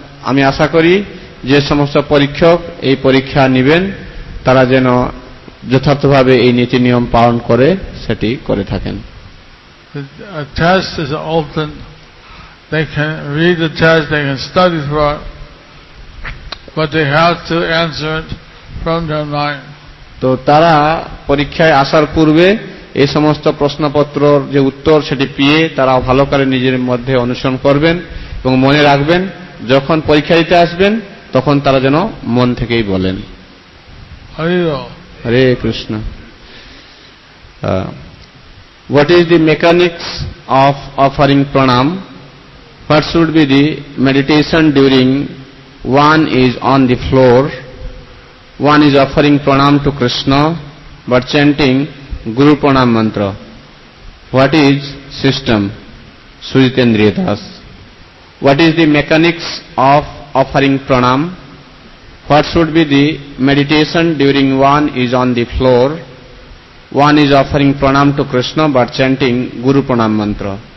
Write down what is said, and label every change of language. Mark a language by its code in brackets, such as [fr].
[bn] আমি আশা করি যে সমস্ত পরীক্ষক এই পরীক্ষা নেবেন তারা যেন যথার্থভাবে এই নীতি নিয়ম পালন করে সেটি করে থাকেন। [en] The test is open. They can read the test, they can study for it, but they have to answer it from their mind. [bn] তো তারা পরীক্ষায় আসার পূর্বে এই সমস্ত প্রশ্নপত্রের যে উত্তর সেটি পেয়ে তারা ভালো করে নিজের মধ্যে অনুসরণ করবেন এবং মনে রাখবেন যখন পরীক্ষা দিতে আসবেন তখন তারা যেন মন থেকেই বলেন হরে Krishna. [en] What is the mechanics of offering pranam, what should be the meditation during one is on the floor, one is offering pranam to Krishna but chanting Guru Pranam Mantra. What is system? Sujitendriya Das. What is the mechanics of offering pranam? What should be the meditation during one is on the floor? One is offering pranam to Krishna but chanting Guru Pranam Mantra.